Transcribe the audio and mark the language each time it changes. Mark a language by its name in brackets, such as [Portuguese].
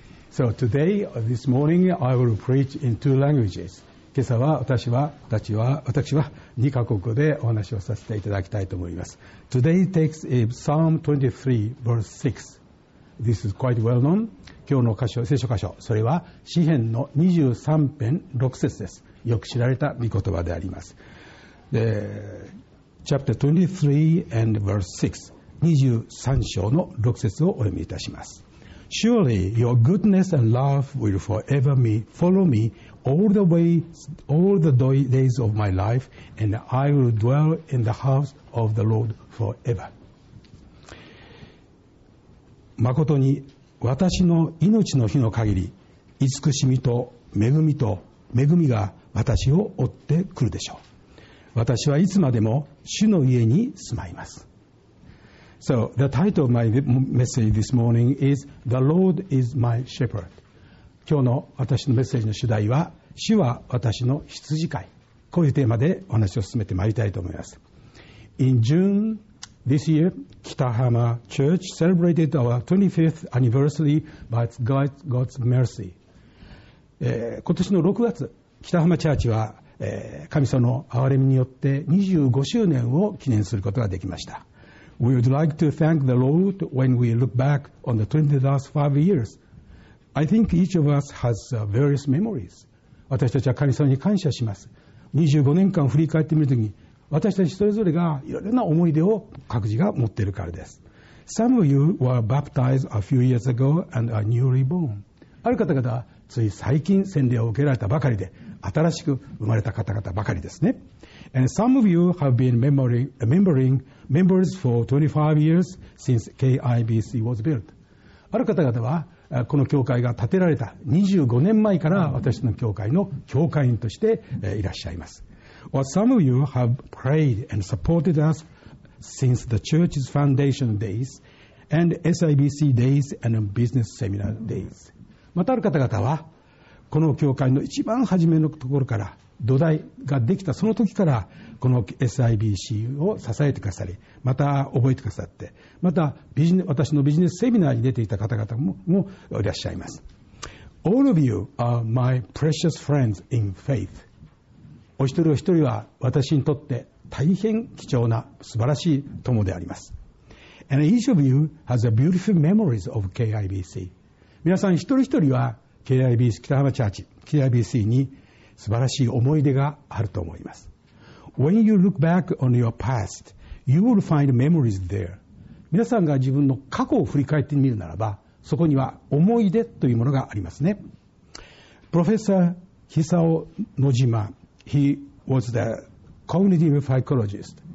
[English] So today, this morning, I will preach in two languages. [Japanese] 今朝は私は2カ国語でお話をさせていただきたいと思います。 [English] Today takes a Psalm 23, verse 6. This is quite well known. [Japanese] 今日の箇所、聖書箇所、それは詩篇の23編6節です。よく知られた御言葉であります。 [English] Chapter 23 and verse 6. [Japanese] 23章の6節をお読みいたします。 [English] Surely your goodness and love will forever me, follow me all the days of my life, and I will dwell in the house of the Lord forever. [Japanese] 誠に私の命の日の限り、慈しみと恵みと恵みが私を追ってくるでしょう。私はいつまでも主の家に住まいます。 [English] So the title of my message this morning is The Lord is my shepherd. [Japanese] 今日の私のメッセージの主題は主は私の羊飼い、こういうテーマでお話を進めてまいりたいと思います。 [English] In June this year, 北浜 Church celebrated our 25th anniversary by God's mercy. [Japanese] 今年の6月、北浜チャーチは神様の憐れみによって25周年を記念することができました。 [English] We would like to thank the Lord when we look back on the 25 years. I think each of us has various memories. [Japanese] 私たちは神様に感謝します。25年間振り返ってみるときに、私たちそれぞれがいろいろな思い出を各自が持っているからです。 [English] Some of you were baptized a few years ago and are newly born. [Japanese] ある方々はつい最近洗礼を受けられたばかりで、新しく生まれた方々ばかりですね。 [English] And some of you have been members for 25 years since KIBC was built. [Japanese] ある方々はこの教会が建てられた25年前から私の教会の教会員としていらっしゃいます。 [English] Or some of you have prayed and supported us since the church's foundation days and SIBC days and business seminar days. [Japanese] またある方々はこの教会の一番初めのところから、土台ができたその時からこの SIBC を支えてくださり、また覚えてくださって、また私のビジネスセミナーに出ていた方々 もいらっしゃいます。 [English] All of you are my precious friends in faith. [Japanese] お一人お一人は私にとって大変貴重な素晴らしい友であります。 [English] And each of you has a beautiful memories of KIBC. [Japanese] 皆さん一人一人は KIBC 北浜チャーチ KIBC に素晴らしい思い出があると思います。 [English] When you look back on your past, you will find memories there. [Japanese] 皆さんが自分の過去を振り返ってみるならば、そこには思い出というものがありますね。 [English] Professor Hisao Nojima, he was the cognitive psychologist.